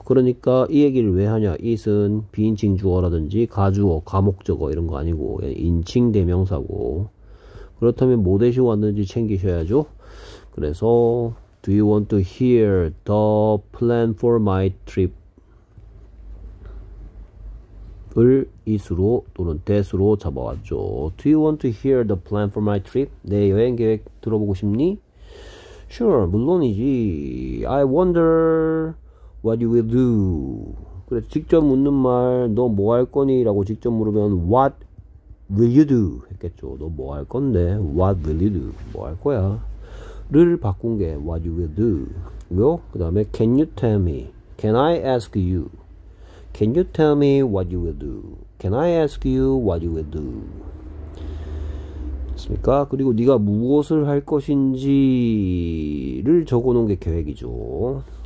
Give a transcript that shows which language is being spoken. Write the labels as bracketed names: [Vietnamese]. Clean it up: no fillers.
[Korean] 그러니까 이 얘기를 왜 하냐. It은 비인칭 주어라든지 가주어, 가목적어 이런 거 아니고 인칭 대명사고 그렇다면 뭐 대시 왔는지 챙기셔야죠. 그래서 [English] Do you want to hear the plan for my trip? [Korean] 을 it으로 또는 that으로 잡아왔죠. [English] Do you want to hear the plan for my trip? [Korean] 내 여행 계획 들어보고 싶니? [English] Sure, [Korean] 물론이지. [English] I wonder what you will do. [Korean] 그래, 직접 묻는 말, 너 뭐 할 거니? 라고 직접 물으면 [English] What will you do? [Korean] 했겠죠. 너 뭐 할 건데? What will you do? 뭐 할 거야? 를 바꾼 게 [English] What you will do? [Korean] 요? 그 다음에 [English] Can you tell me? Can I ask you? Can you tell me what you will do? Can I ask you what you will do? [Korean] 습니까? 그리고 네가 무엇을 할 것인지를 적어놓은 게 계획이죠.